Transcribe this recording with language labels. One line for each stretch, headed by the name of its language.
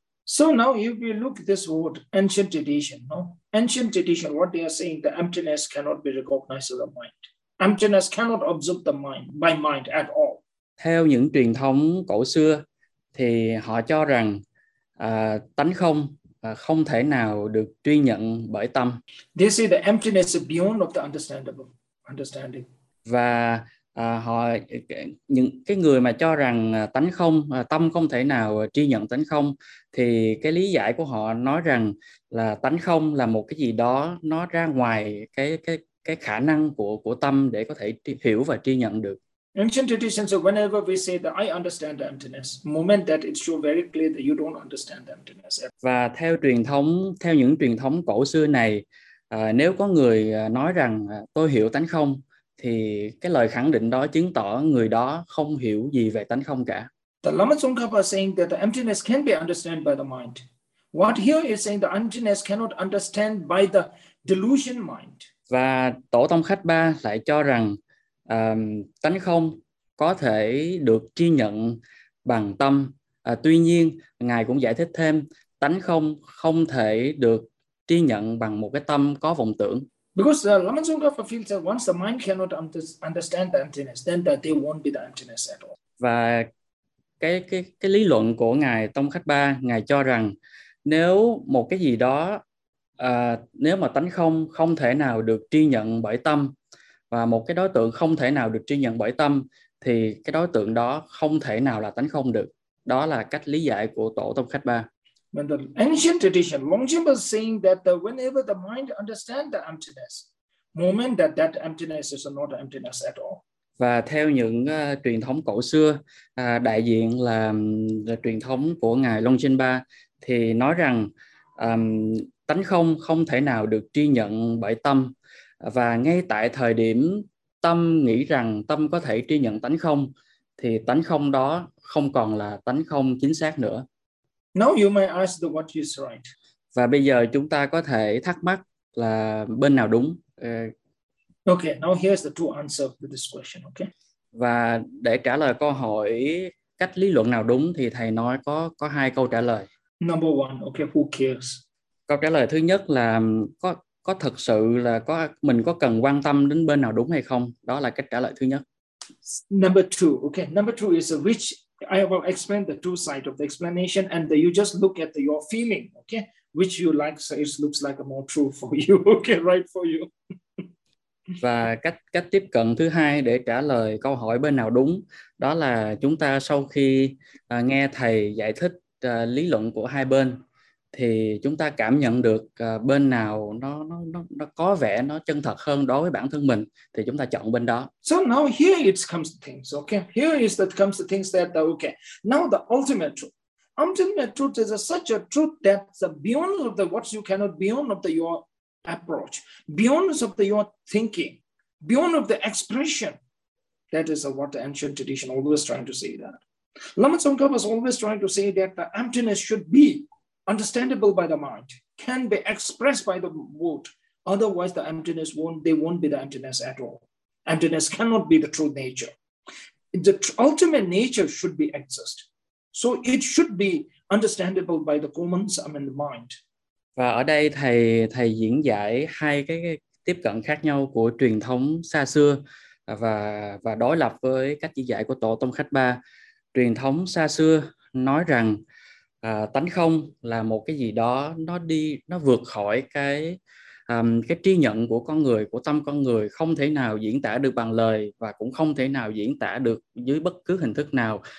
English: So now if we look at this word, ancient tradition, no? Ancient tradition, what they are saying, the emptiness cannot be recognized by the mind. Emptiness cannot absorb the mind, by mind at all.
Vietnamese: Theo những truyền thống cổ xưa, thì họ cho rằng tánh không không thể nào được truy nhận bởi tâm.
English: They say the emptiness is beyond of the understanding.
Vietnamese: Và họ những cái người mà cho rằng tánh không, tâm không thể nào tri nhận tánh không, thì cái lý giải của họ nói rằng là tánh không là một cái gì đó nó ra ngoài cái khả năng của tâm để có thể hiểu và tri nhận được.
English: Ancient tradition, so whenever we say that I understand the emptiness, moment that it shows very clear that you don't understand the emptiness.
Vietnamese: Và theo truyền thống, theo những truyền thống cổ xưa này, nếu có người nói rằng tôi hiểu tánh không, thì cái lời khẳng định đó chứng tỏ người đó không hiểu gì về tánh không cả.
English: The Lama Tsongkhapa saying that the emptiness can be understood by the mind. What here is saying the emptiness cannot understand by the delusion mind.
Vietnamese: Và Tổ Tông Khách Ba lại cho rằng tánh không có thể được tri nhận bằng tâm. Tuy nhiên, Ngài cũng giải thích thêm, tánh không không thể được tri nhận bằng một cái tâm có vọng tưởng.
English: Because the Lama Tsongkhapa feels that once the mind cannot understand the emptiness, then that there won't be the emptiness at all.
Vietnamese: Và cái lý luận của Ngài Tông Khách Ba, Ngài cho rằng nếu một cái gì đó, nếu mà tánh không không thể nào được tri nhận bởi tâm, và một cái đối tượng không thể nào được tri nhận bởi tâm, thì cái đối tượng đó không thể nào là tánh không được. Đó là cách lý giải của Tổ Tông Khách Ba.
English: When the ancient tradition, Longchenpa was saying that the, whenever the mind understands the emptiness, moment that that emptiness is not emptiness at all.
Vietnamese: Và theo những truyền thống cổ xưa, đại diện là truyền thống của Ngài Longchenpa, thì nói rằng tánh không không thể nào được tri nhận bởi tâm. Và ngay tại thời điểm tâm nghĩ rằng tâm có thể tri nhận tánh không, thì tánh không đó không còn là tánh không chính xác nữa.
English: Now you may ask the what is right.
Vietnamese: Và bây giờ chúng ta có thể thắc mắc là bên nào đúng.
English: Okay, now here's the two answers to this question, okay?
Vietnamese: Và để trả lời câu hỏi cách lý luận nào đúng thì thầy nói có hai câu trả lời.
English: Number one, okay, who cares?
Vietnamese: Câu trả lời thứ nhất là có thực sự là có mình có cần quan tâm đến bên nào đúng hay không? Đó là cách trả lời thứ nhất.
English: Number two, okay. Number two is which I will explain the two side of the explanation and the, you just look at the, your feeling, okay? Which you like, so it looks like a more true for you, okay, right for you.
Vietnamese: Và cách tiếp cận thứ hai để trả lời câu hỏi bên nào đúng, đó là chúng ta sau khi nghe thầy giải thích lý luận của hai bên, thì chúng ta cảm nhận được bên nào nó có vẻ nó chân thật hơn đối với bản thân mình, thì chúng ta chọn bên đó.
English: So now here it comes to things, okay? Here is that comes to things that, okay, now the ultimate truth. Ultimate truth is a, such a truth that the beyond of the what you cannot, beyond of the your approach, beyond of the your thinking, beyond of the expression, that is a, what the ancient tradition always trying to say that. Lama Tsongkhapa was always trying to say that the emptiness should be understandable by the mind, can be expressed by the word. Otherwise, the emptiness won't, they won't be the emptiness at all. Emptiness cannot be the true nature. The ultimate nature should be exist. So it should be understandable by the commons, I mean the mind.
Vietnamese: Và ở đây thầy diễn giải hai cái tiếp cận khác nhau của truyền thống xa xưa và đối lập với cách diễn giải của Tổ Tông Khách Ba. Truyền thống xa xưa nói rằng tánh không là một cái gì đó nó vượt khỏi cái tri nhận của con người, của tâm con người, không thể nào diễn tả được bằng lời và cũng không thể nào diễn tả được dưới bất cứ hình thức nào.